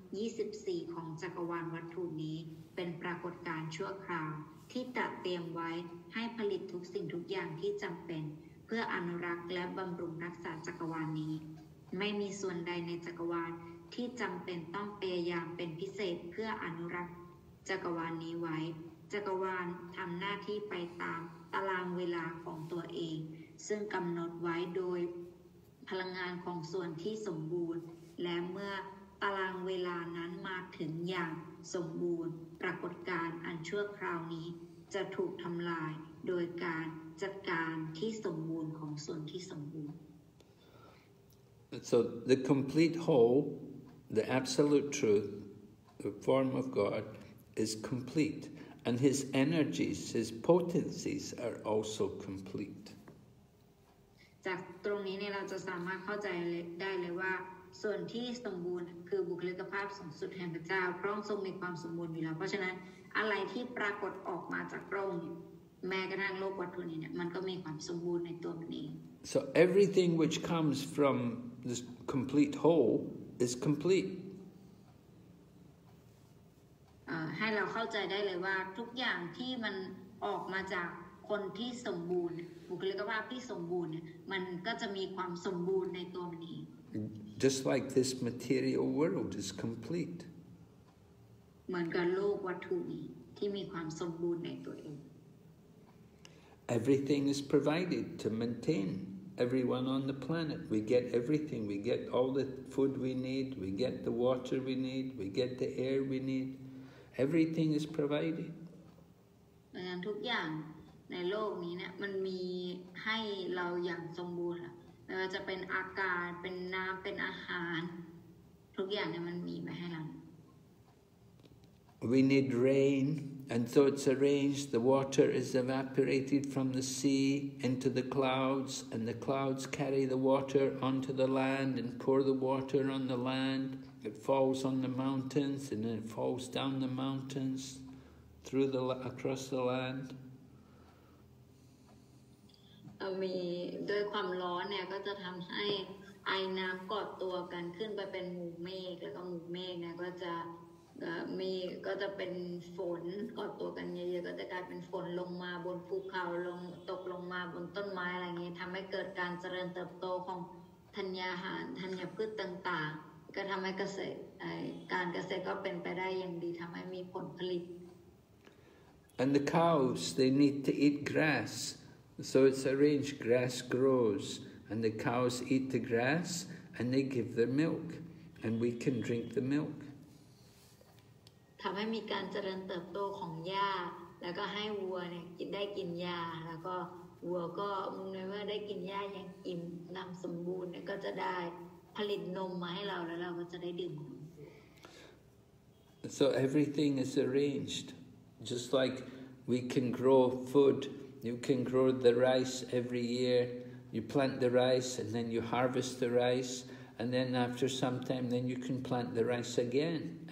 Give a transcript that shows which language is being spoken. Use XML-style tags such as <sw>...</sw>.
<th>24ของจักรวาลวัตถุนี้เป็นปรากฏการณ์ชั่วคราวที่จัดเตรียมไว้ให้ผลิตทุกสิ่งทุกอย่างที่จำเป็นเพื่ออนุรักษ์และบำรุงรักษาจักรวาลนี้ไม่มีส่วนใดในจักรวาลที่จำเป็นต้องพยายามเป็นพิเศษเพื่ออนุรักษ์จักรวาลนี้ไว้จักรวาลทำหน้าที่ไปตามตารางเวลาของตัวเองซึ่งกำหนดไว้โดย พลังงานของส่วนที่สมบูรณ์และเมื่อตารางเวลานั้นมาถึงอย่างสมบูรณ์ปรากฏการณ์อันชั่วคราวนี้จะถูกทำลายโดยการจัดการที่สมบูรณ์ของส่วนที่สมบูรณ์</th> <en>So the complete whole, the absolute truth, the form of God is complete and his energies, his potencies are also complete.</en> <th>จากตรงนี้เนี่ยเราจะสามารถเข้าใจได้เลยว่าส่วนที่สมบูรณ์คือบุคลิกภาพสูงสุดแห่งพระเจ้าพระองค์ทรงมีความสมบูรณ์อยู่แล้วเพราะฉะนั้นอะไรที่ปรากฏออกมาจากพระองค์แม้กระทั่งโลกวัตถุนี้เนี่ยมันก็มีความสมบูรณ์ในตัวมันเอง</th> <en>So everything which comes from this complete whole is complete</en> <th>ให้เราเข้าใจได้เลยว่าทุกอย่างที่มันออกมาจากคนที่สมบูรณ์บุคลิกภาพที่สมบูรณ์เนี่ยมันก็จะมีความสมบูรณ์ในตัวมันเอง</th> <en>Just like this material world is complete</en> <th>เหมือนกับโลกวัตถุนี้ที่มีความสมบูรณ์ในตัวเอง</th> <en>Everything is provided to maintain everyone on the planet. We get everything. We get all the food we need. We get the water we need. We get the air we need. Everything is provided.</en> <th>งานทุกอย่างในโลกนี้เนี่ยมันมีให้เราอย่างสมบูรณ์ไม่ว่าจะเป็นอากาศเป็นน้ำเป็นอาหารทุกอย่างเนี่ยมันมีมาให้เรา</th> <en>We need rain and so it's arranged the water is evaporated from the sea into the clouds and the clouds carry the water onto the land and pour the water on the land it falls on the mountains and then it falls down the mountains through the across the land</en> <th>มีด้วยความร้อนเนี่ยก็จะทำให้ไอน้ำกอดตัวกันขึ้นไปเป็นหมู่เมฆแล้วก็หมู่เมฆเนี่ยก็จะมีก็จะเป็นฝนกอดตัวกันเยอะๆก็จะกลายเป็นฝนลงมาบนภูเขาลงตกลงมาบนต้นไม้อะไรเงี้ยทำให้เกิดการเจริญเติบโตของธัญญาหารธัญญพืชต่างๆก็ทำให้เกษตรการเกษตรก็เป็นไปได้อย่างดีทำให้มีผลผลิต</th> <en>and the cows they need to eat grassSo it's arranged, grass grows, and the cows eat the grass, and they give their milk, and we can drink the milk.</en> <th>ทำให้มีการเจริญเติบโตของหญ้าแล้วก็ให้วัวเนี่ยได้กินหญ้าแล้วก็วัวก็มึงในเมื่อได้กินหญ้าอย่างอิ่มน้ำสมบูรณ์เนี่ยก็จะได้ผลิตนมมาให้เราแล้วเราก็จะได้ดื่ม</th> <en>So everything is arranged, just like we can grow food. You can grow the rice every year. You plant the rice and then you harvest the rice. And then after some time, then you can plant the rice again.</en>